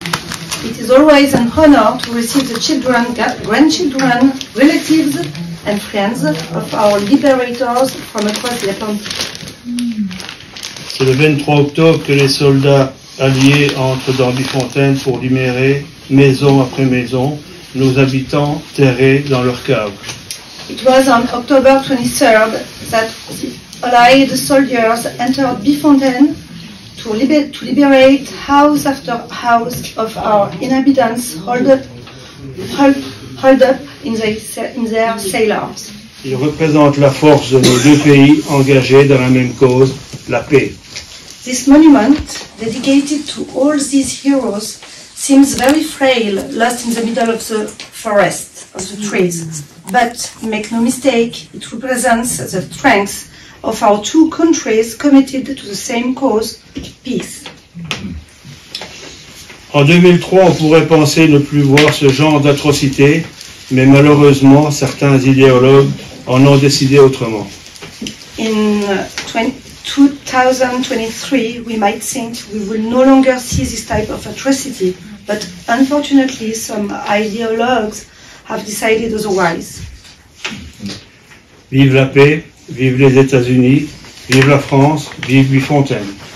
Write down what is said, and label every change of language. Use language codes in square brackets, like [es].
[en] It is always an honor to receive the children, grandchildren, relatives, and friends of our liberators from across the country. [fr] C'est le 23 octobre que les soldats alliés entrent dans Biffontaine pour libérer, maison après maison, nos habitants terrés dans leurs caves. [en] It was on October 23rd that the Allied soldiers entered Biffontaine to, liberate house after house of our inhabitants held up in their cellars. [fr] Ils représentent la force de nos deux pays engagés dans la même cause, la paix. [en] This monument, dedicated to all these heroes, seems very frail, lost in the middle of the forest, of the trees. But make no mistake, it represents the strength of our two countries committed to the same cause, peace. [fr] En 2003, on pourrait penser ne plus voir ce genre d'atrocité, mais malheureusement, certains idéologues en ont décidé autrement. [en] In 2023, we might think we will no longer see this type of atrocity, but unfortunately, some ideologues have decided otherwise. [fr] Vive la paix, vive les États-Unis, vive la France, vive Biffontaine.